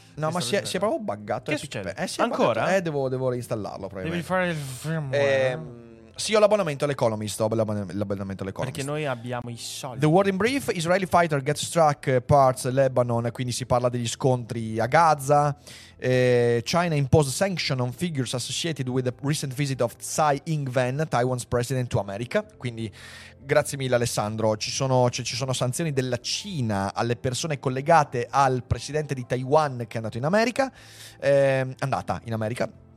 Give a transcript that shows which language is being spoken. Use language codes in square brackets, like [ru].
[it] No, ma si è proprio buggato. Che succede? Ancora? Devo reinstallarlo, probabilmente. Devi fare il firmware. Sì, ho l'abbonamento all'Economist. Perché noi abbiamo i soldi. [en] The word in brief. Israeli fighter gets struck parts Lebanon. [it] Quindi si parla degli scontri a Gaza. [en] China imposed sanction on figures associated with the recent visit of Tsai Ing-wen, Taiwan's president, to America. [it] Quindi... Grazie mille Alessandro, ci sono sanzioni della Cina alle persone collegate al presidente di Taiwan che è andato in America, andata in America.